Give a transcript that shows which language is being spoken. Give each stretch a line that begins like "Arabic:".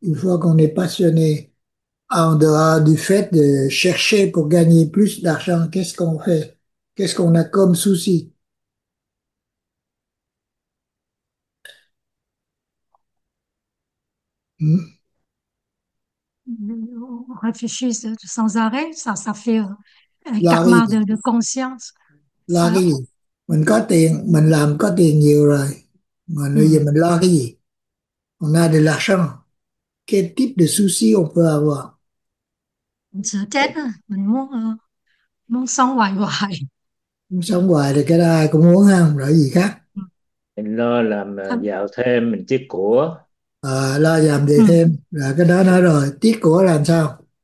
French: Une fois qu'on est passionné, en dehors du fait de chercher pour gagner plus d'argent, qu'est-ce qu'on fait? Qu'est-ce qu'on a comme souci? On réfléchit sans arrêt, ça fait un Lari. karma de conscience.
Vietnamese: Lo cái
French: Ça.
Vietnamese: gì? Mình có tiền, mình làm có tiền nhiều rồi. Mà bây giờ mình lo cái gì?
French: On a de l'argent. Quel type de souci on peut avoir?
Vietnamese: Mình sợ chết, mình muốn sống hoài hoài. Sống hoài thì cái đó ai cũng muốn ha, rồi gì khác. Mình lo làm giàu thêm, mình tiếc của. À, lo làm gì thêm là cái đó nói rồi, tiếc của làm sao?